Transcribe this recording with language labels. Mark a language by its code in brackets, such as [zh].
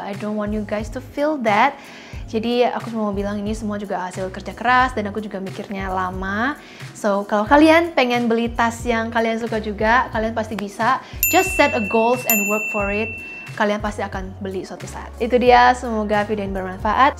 [en] I don't want you guys to feel that. [id] Jadi aku cuma mau bilang ini semua juga hasil kerja keras dan aku juga mikirnya lama. So kalau kalian pengen beli tas yang kalian suka juga, kalian pasti bisa. [en] Just set a goals and work for it. [id] Kalian pasti akan beli suatu saat. Itu dia, semoga video ini bermanfaat.